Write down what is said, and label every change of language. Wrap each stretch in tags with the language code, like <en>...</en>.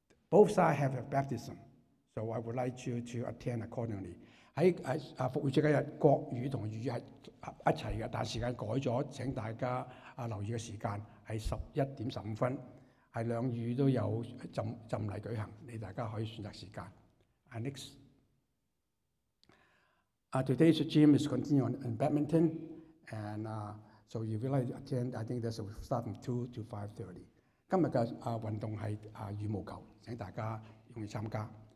<en>Both sides have a baptism, so I would like you to attend accordingly.</en> <zh>在復活節那天，國語和粵語是一起的，但時間改了，請大家留意的時間是11:15，是兩語都有浸禮舉行，你大家可以選擇時間。</zh> <en>Next. Today's gym is continuing in badminton, and so if you like to attend, I think this will start from 2 to 5:30.</en> <zh>今天的運動是羽毛球，請大家踴躍參加。</zh>